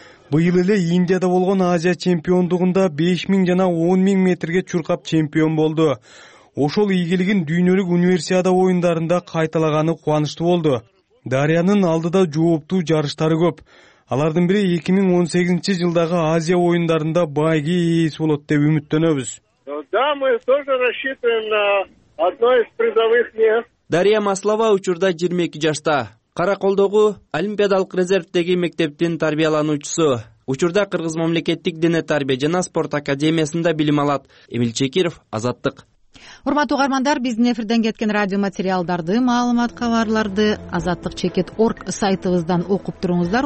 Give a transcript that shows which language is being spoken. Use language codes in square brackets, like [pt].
[ky] Быйыл эле Индияда болгон Азия чемпиондугунда 5,000 жана 10,000 метрге чуркап чемпион болду. Ошол ийгилигин дүйнөлүк универсиада оюндарында кайталаганы кубанычтуу болду. Дарьянын алдыда жооптуу жарыштары көп. Алардын бири 2018 жылдагы Азия оюндарында байги ээси болот деп үмүттөнөбүз. [ru] Да, мы тоже рассчитываем на одно из призовых мест. [ky] Дарья Маслова учурда 22 жашта. Караколдогу олимпиадалык резервдеги мектептин тарбиялануучусу. Учурда Кыргыз мамлекеттик дене тарбия жана спорт академиясында билим алат. Эмиль Чекиров, Азаттык. Урматтуу угармандар, биздин эфирден кеткен радио материалдарды, маалымат кабарларды azattik.org сайтыбыздан окуп туруңуздар.